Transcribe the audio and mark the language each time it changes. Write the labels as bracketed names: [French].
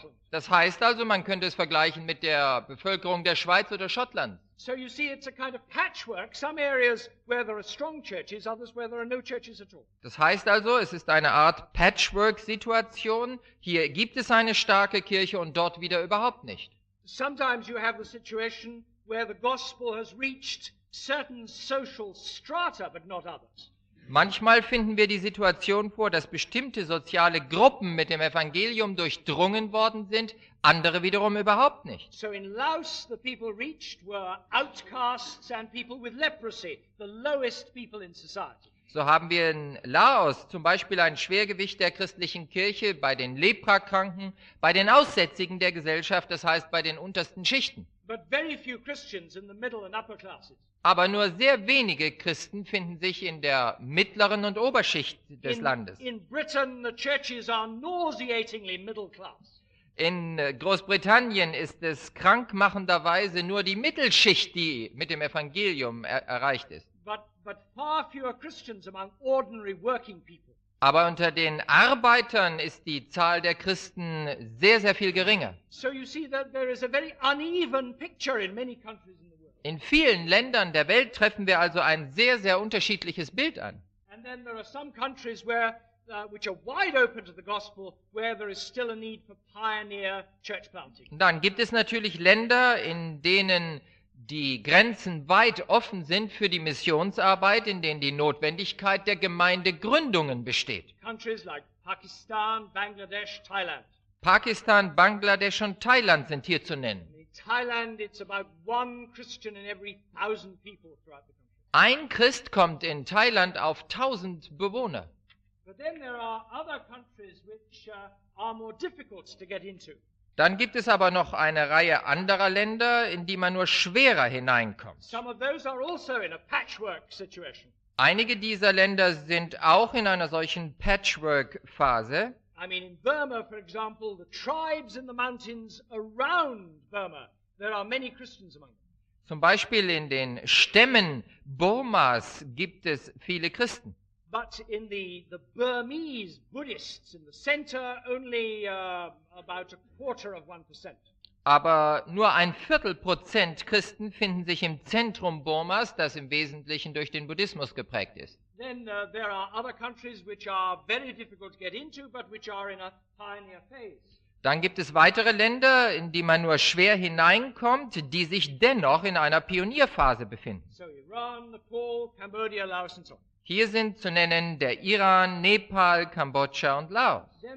[German] Das heißt also, man könnte es vergleichen mit der Bevölkerung der Schweiz oder Schottland. [English] So you see, it's a kind of patchwork, some areas where there are strong churches, others where there are no churches at all. [German] Das heißt also, es ist eine Art Patchwork-Situation. Hier gibt es eine starke Kirche und dort wieder überhaupt nicht. [English] Sometimes you have the situation where the gospel has reached certain social strata, but not others. [German] Manchmal finden wir die Situation vor, dass bestimmte soziale Gruppen mit dem Evangelium durchdrungen worden sind, andere wiederum überhaupt nicht. [English] So in Laos, the people reached were outcasts and people with leprosy, the lowest people in society. [German] So haben wir in Laos zum Beispiel ein Schwergewicht der christlichen Kirche bei den Leprakranken, bei den Aussätzigen der Gesellschaft, das heißt bei den untersten Schichten. [English] But very few Christians in the middle and upper classes. [German] Aber nur sehr wenige Christen finden sich in der mittleren und Oberschicht des Landes. [English] In Britain, the churches are nauseatingly middle class. [German] In Großbritannien ist es krankmachenderweise nur die Mittelschicht, die mit dem Evangelium erreicht ist. [English] But far fewer Christians among ordinary working people. [German] Aber unter den Arbeitern ist die Zahl der Christen sehr, sehr viel geringer. [English] So you see that there is a very uneven picture in many countries in the world. [German] In vielen Ländern der Welt treffen wir also ein sehr, sehr unterschiedliches Bild an. [English] And then there are some countries where which are wide open to the gospel, where there is still a need for pioneer church planting. [German] Dann gibt es natürlich Länder, in denen die Grenzen weit offen sind für die Missionsarbeit, in denen die Notwendigkeit der Gemeindegründungen besteht. [English] Countries like Pakistan, Bangladesh, Thailand. [German] Pakistan, Bangladesch und Thailand sind hier zu nennen. [English] In Thailand, it's about one Christian in every 1,000 people throughout the country. [German] Ein Christ kommt in Thailand auf 1,000 Bewohner. [English] But then there are other countries which are more difficult to get into. [German] Dann gibt es aber noch eine Reihe anderer Länder, in die man nur schwerer hineinkommt. [English] Some of those are also in a patchwork situation. [German] Einige dieser Länder sind auch in einer solchen Patchwork-Phase. [English] I mean in Burma, for example, the tribes in the mountains around Burma, there are many Christians among them. [German] Zum Beispiel in den Stämmen Burmas gibt es viele Christen. [English] But in the Burmese Buddhists in the center only about 0.25%. [German] Aber nur 0.25% Christen finden sich im Zentrum Burmas, das im Wesentlichen durch den Buddhismus geprägt ist. [English] Then there are other countries which are very difficult to get into, but which are in a pioneer phase. [German] Dann gibt es weitere Länder, in die man nur schwer hineinkommt, die sich dennoch in einer Pionierphase befinden. [English] So Iran, Nepal, Cambodia, Laos [German] und so. Hier sind zu nennen der Iran, Nepal, Kambodscha und Laos.